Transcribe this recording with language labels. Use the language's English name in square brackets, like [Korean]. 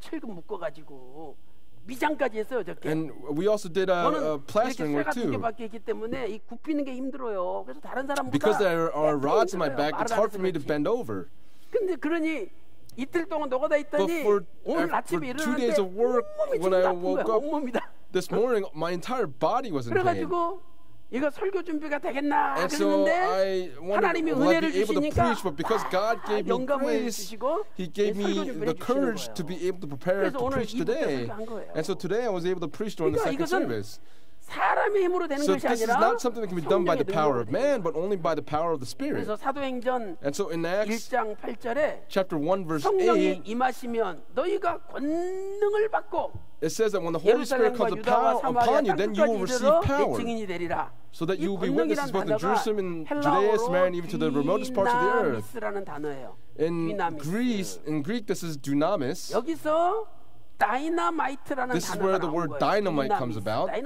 [Korean] 철근 묶어가지고 미장까지 했어요 어저께. [English] And we also did a plastering work too. [Korean] 이렇게 밖에 있기 때문에 이 굽히는 게 힘들어요. 그래서 다른 사람보다 [English] Because there are rods in my back, it's hard for me to bend over. [Korean] 근데 그러니 이틀 동안 누워다 있더니 오늘 아침에 일어났는데 [English] when I woke up this morning, my entire body was in pain. [Korean] 그래가지고 이거 설교 준비가 되겠나 그랬는데 하나님이 은혜를 주시니까 [English] but because God gave me grace, He gave me the courage to be able to prepare to preach today. And so today I was able to preach during the second service. [Korean] 사람의 힘으로 되는 [English] so [Korean] 것이 아니라 [English] So this is not something that can be done by the power of man but only by the power of the Spirit. [Korean] 그래서 사도행전 [English] And so in Acts [Korean] 1장 8절에 [English] chapter 1 verse [Korean] 성령이 성령이 임하시면 너희가 권능을 받고 [English] It says that when the Holy Spirit comes upon you, then you will receive power. So that you will be witnesses both in Jerusalem and Judea, Samaria, and even to the remotest parts of the earth. In Greek, this is dynamis. This is where the word dynamite comes about.